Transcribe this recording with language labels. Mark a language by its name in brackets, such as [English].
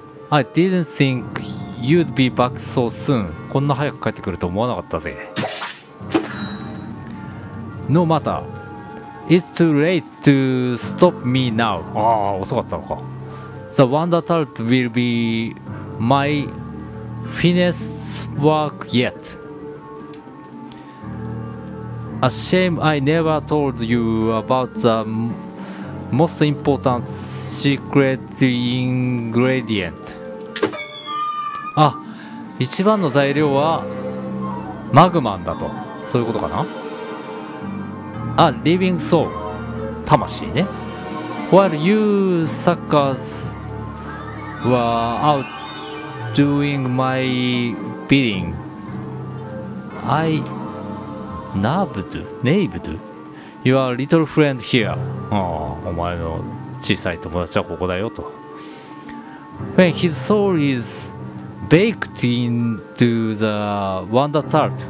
[English] I didn't think you'd be back so soon. [Japanese] こんな早く帰ってくると思わなかったぜ。 [English] No matter. It's too late to stop me now. [Japanese] ああ、遅かったのか。 [English] The Wonder Tarp will be my finest work yet. A shame I never told you about the most important secret ingredient. [Japanese] あ、一番の材料はマグマンだと。そういうことかな。 [English] あ、living [Japanese] soul、 魂ね。 [English] While you suckers were out doing my bidding, I nabbed your little friend here. [Japanese] お前の小さい友達はここだよと。 [English] When his soul is baked into the wonder tart.